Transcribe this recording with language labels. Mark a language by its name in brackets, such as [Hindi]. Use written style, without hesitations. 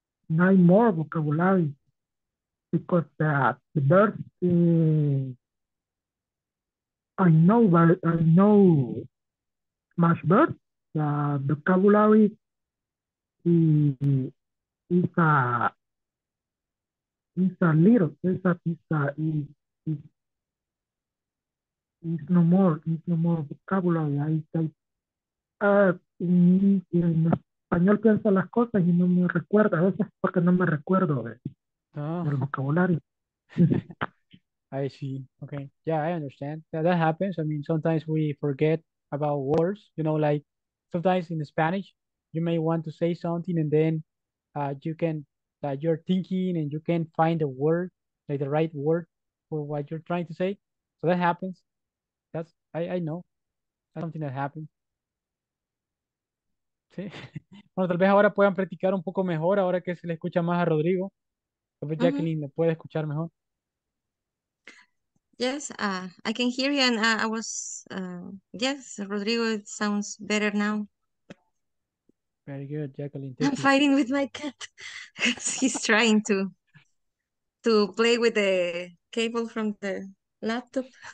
[English] more vocabulary because the verb I know much verb the vocabulary is no more vocabulary. [Spanish] En español pienso las cosas y no me recuerdo, a veces porque no me recuerdo del vocabulario. [English] I see. Okay. Yeah, I understand. Yeah, that happens. I mean, sometimes we forget about words, you know, like sometimes in Spanish, you may want to say something and then you're thinking and you can't find the word, like the right word for what you're trying to say. So that happens. That's, I know. That's something that happens. [Spanish] Sí. Bueno, tal vez ahora puedan practicar un poco mejor ahora que se le escucha más a Rodrigo. Tal vez Jacqueline me puede escuchar mejor. [English] Yes, I can hear you, and I was, yes, Rodrigo, it sounds better now. Very good, Jacqueline. I'm fighting with my cat. He's trying to play with the cable from the laptop.